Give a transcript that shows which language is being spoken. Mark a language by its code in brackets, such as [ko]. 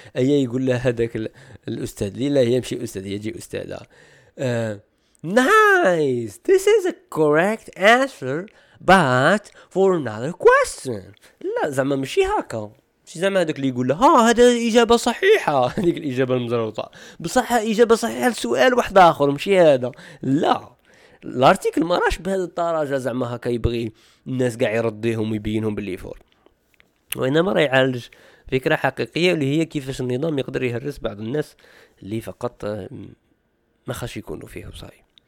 [ar] أيا يقول لها هذاك الأستاذ لي لا يمشي أستاذ يجي أستاذة. نايس، [en] this is a correct answer but for another question. [ar] لا زعما مشي هكا، مشي زعما هذاك اللي يقول لها هذا إجابة صحيحة، هذيك الإجابة المزروطة بصح إجابة صحيحة لسؤال واحد آخر مشي هذا. لا الارتيكل ما راش بهذه الدرجه زعما هكا يبغي الناس قاع يرضيهم ويبينهم باللي فور، وانما راه يعالج فكره حقيقيه اللي هي كيفاش النظام يقدر يهرس بعض الناس اللي فقط ما خاش يكونوا فيه. صاي